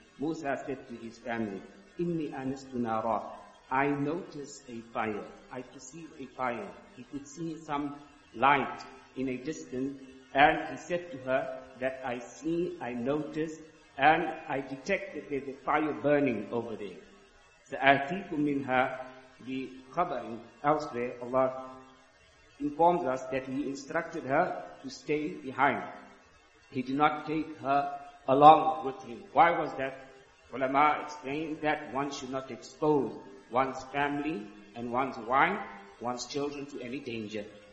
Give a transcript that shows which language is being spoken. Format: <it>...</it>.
<en>Musa said to his family,</en> <ar>إِنِّي أَنَسْتُ نَارًا.</ar> <en>I notice a fire. I perceive a fire. He could see some light in a distance, and he said to her that I see, I notice, and I detect that there's a fire burning over there.</en> <ar>So سَآتِيكُم مِّنْهَا بِخَبَرٍ.</ar> <en>Elsewhere, Allah informs us that he instructed her to stay behind. He did not take her along with him. Why was that? Ulama explained that one should not expose one's family and one's wife, one's children to any danger.</en>